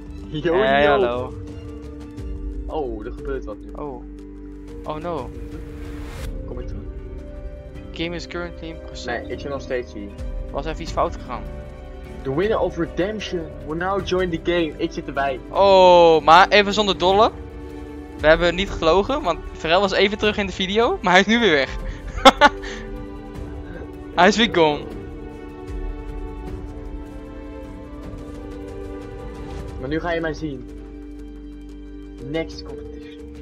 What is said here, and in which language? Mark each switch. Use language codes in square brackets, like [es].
[en] Yo, hey, [nl] hallo. Oh, er gebeurt wat nu. [en] Oh. Oh no. [nl] Kom ik terug. [en] Game is currently in process. [nl] Nee, ik ben nog steeds hier. Was even iets fout gegaan. [en] The winner of redemption will now join the game. [nl] Ik zit erbij. Oh, maar even zonder dolle. We hebben niet gelogen, want Pharrell was even terug in de video, maar hij is nu weer weg. Hij is weer gone. Maar nu ga je mij zien. [en] Next competition.